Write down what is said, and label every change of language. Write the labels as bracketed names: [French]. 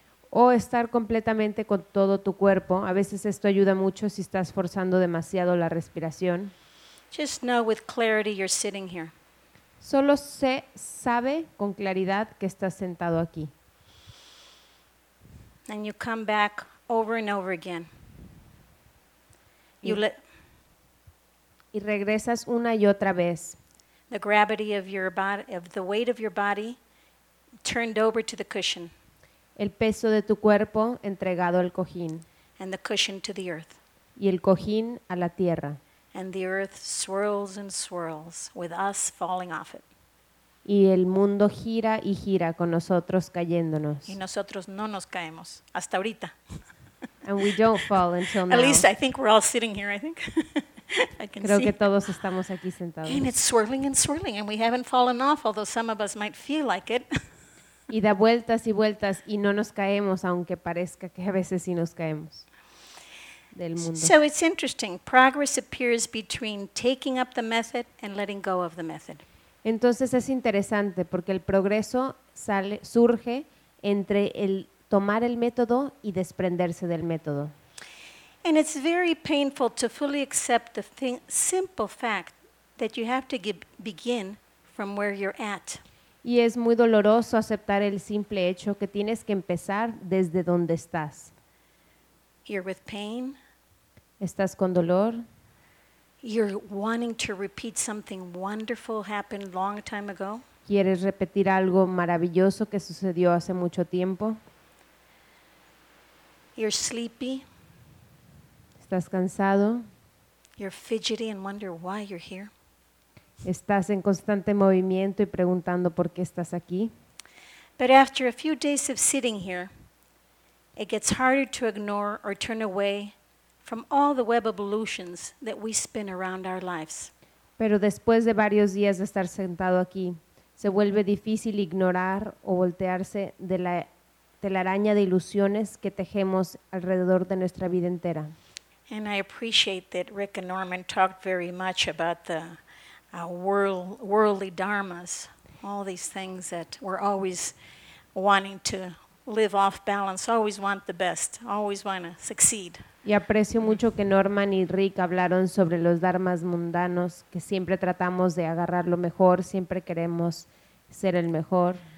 [Spanish] O estar completamente con todo tu cuerpo. A veces esto ayuda mucho si estás forzando demasiado la respiración. [English] Just know with clarity you're sitting here. [Spanish] Solo sé, sabe con claridad que estás sentado aquí. [English] And you come back over and over again. [Spanish] Y regresas una y otra vez. [English] The gravity of your body, of the weight of your body turned over to the cushion. [Spanish] El peso de tu cuerpo entregado al cojín. [English] And the cushion to the earth. [Spanish] Y el cojín a la tierra. [English] And the earth swirls and swirls with us falling off it. [Spanish] Y el mundo gira y gira con nosotros cayéndonos. Y nosotros no nos caemos hasta ahorita. [English] And we don't fall until now. At least I think we're all sitting here, I think. I can [Spanish] Creo [English] see. [Spanish] Que todos estamos aquí sentados. [English] And it's swirling and swirling and we haven't fallen off, although some of us might feel like it. [Spanish] Y da vueltas y vueltas y no nos caemos, aunque parezca que a veces sí nos caemos del mundo. [English] So it's interesting. Progress appears between taking up the method and letting go of the method. [Spanish] Entonces es interesante porque el progreso surge entre el tomar el método y desprenderse del método. [English] And it's very painful to fully accept the simple fact that you have to begin from where you're at. [Spanish] Y es muy doloroso aceptar el simple hecho que tienes que empezar desde donde estás. [English] You're with pain. [Spanish] Estás con dolor. [English] You're wanting to repeat something wonderful happened long time ago. [Spanish] Quieres repetir algo maravilloso que sucedió hace mucho tiempo. [English] You're sleepy. [Spanish] Estás cansado. [English] You're fidgety and wonder why you're here. [Spanish] Estás en constante movimiento y preguntando por qué estás aquí. [English] But after a few days of sitting here, it gets harder to ignore or turn away from all the web of illusions that we spin around our lives. [Spanish] Pero después de varios días de estar sentado aquí, se vuelve difícil ignorar o voltearse de la telaraña de ilusiones que tejemos alrededor de nuestra vida entera. [English] And I appreciate that Rick and Norman talked very much about the worldly dharmas, all these things that we're always wanting to live off balance, always want the best, always want to succeed. [Spanish] Y aprecio mucho que Norman y Rick hablaron sobre los dharmas mundanos, que siempre tratamos de agarrar lo mejor, siempre queremos ser el mejor.